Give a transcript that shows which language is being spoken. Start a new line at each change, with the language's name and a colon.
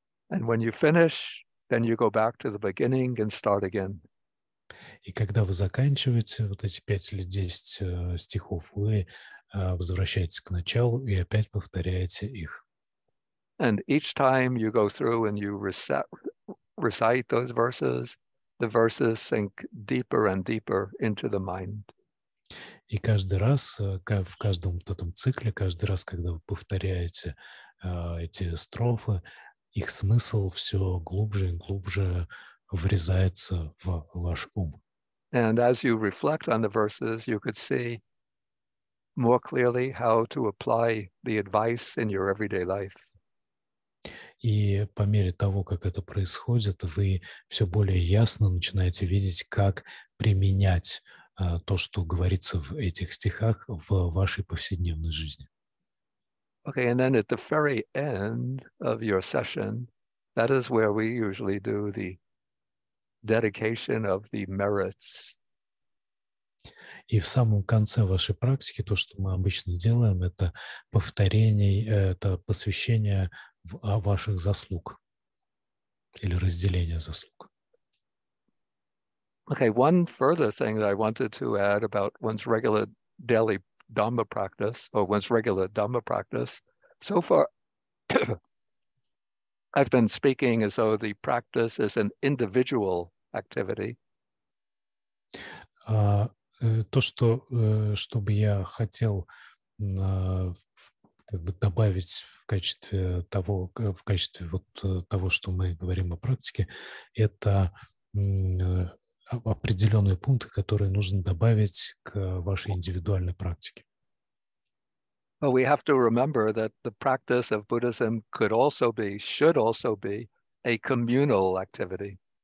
English: And when you finish, then you go back to the beginning and start again.
Russian: И когда вы заканчиваете вот эти 5 или 10 стихов, вы возвращаетесь к началу и опять повторяете их.
English: And each time you go through and you recite those verses, the verses sink deeper and deeper into the mind.
Russian: И каждый раз, в каждом вот этом цикле, каждый раз, когда вы повторяете эти строфы, их смысл все глубже и глубже врезается в ваш ум.
English: And as you reflect on the verses, you could see more clearly how to apply the advice in your everyday life.
Russian: И по мере того, как это происходит, вы все более ясно начинаете видеть, как применять то, что говорится в этих стихах, в вашей повседневной жизни.
English: Okay, and then at the very end of your session, that is where we usually do the dedication of the merits.
Russian: И в самом конце вашей практики то, что мы обычно делаем, это повторение, это посвящение о ваших заслуг или разделение заслуг.
English: Okay, one further thing that I wanted to add about one's regular daily Dhamma practice or one's regular Dhamma practice. So far, I've been speaking as though the practice is an individual activity.
Russian: То, что чтобы я хотел как бы добавить в качестве вот того, что мы говорим о практике, это определенные пункты, которые нужно добавить к вашей индивидуальной практике.
English: Well, we have to remember that the practice of Buddhism could also be, should also be a communal activity.